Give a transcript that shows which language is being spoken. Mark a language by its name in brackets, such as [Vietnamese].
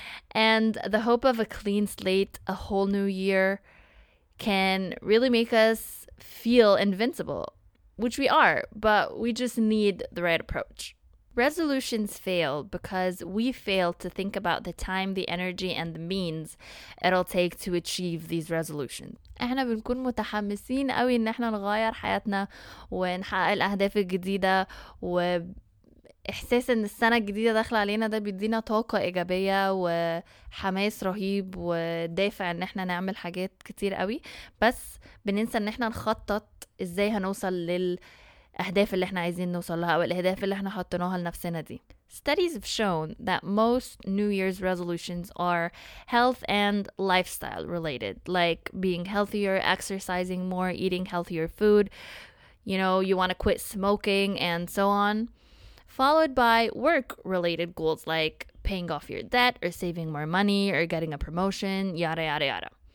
[English] And the hope of a clean slate, a whole new year, can really make us feel invincible, which we are, but we just need the right approach. Resolutions fail because we fail to think about the time, the energy, and the means it'll take to achieve these resolutions. [Arabic] احنا بنكون متحمسين قوي ان احنا نغير حياتنا ونحقق الاهداف الجديدة، واحساس ان السنة الجديدة داخل علينا ده بيدينا طاقة ايجابية وحماس رهيب ودافع ان احنا نعمل حاجات كتير قوي، بس بننسى ان احنا نخطط ازاي هنوصل للاهداف اللي احنا عايزين نوصل لها او الاهداف اللي احنا حطناها لنفسنا دي. [English] Studies have shown that most New Year's resolutions are health and lifestyle related, like being healthier, exercising more, eating healthier food, you know, you want to quit smoking and so on. Followed by work-related goals like paying off your debt or saving more money or getting a promotion, yada, yada, yada.